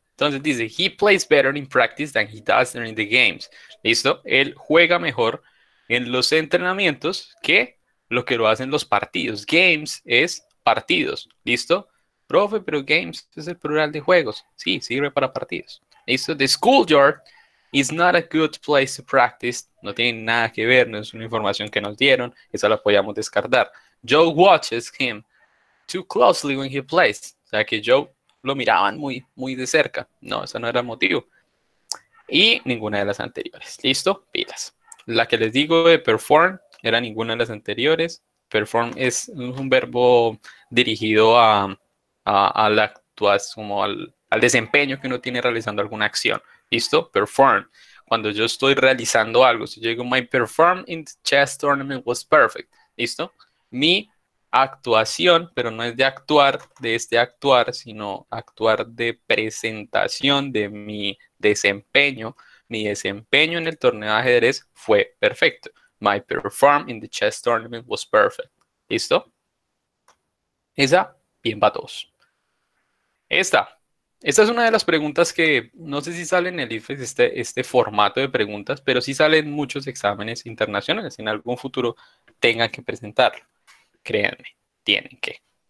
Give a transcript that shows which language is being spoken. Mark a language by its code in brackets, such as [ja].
[es] Entonces dice, [en] he plays better in practice than he does during the games. [es] ¿Listo? Él juega mejor en los entrenamientos que lo que lo hacen los partidos. Games es partidos. ¿Listo? Profe, pero games es el plural de juegos. Sí, sirve para partidos. ¿Listo? [en] The schoolyard is not a good place to practice. [es] No tiene nada que ver, no es una información que nos dieron. Esa la podíamos descartar. [en] Joe watches him too closely when he plays. [es] O sea que Joe lo miraban muy, muy de cerca. No, eso no era el motivo. Y ninguna de las anteriores. ¿Listo? Pilas. La que les digo de perform era ninguna de las anteriores. Perform es un verbo dirigido a la actuación, como al desempeño que uno tiene realizando alguna acción. ¿Listo? Perform. Cuando yo estoy realizando algo, si yo digo, [en] my perform in the chess tournament was perfect. [es] ¿Listo? Mi actuación, pero no es de actuar, de este actuar, sino actuar de presentación de mi desempeño. Mi desempeño en el torneo de ajedrez fue perfecto. [en] My perform in the chess tournament was perfect. [es] ¿Listo? Esa, bien va a todos. Esta es una de las preguntas que no sé si sale en el IFES, este formato de preguntas, pero sí sale en muchos exámenes internacionales. En algún futuro tengan que presentarlo. Créanme, tienen que.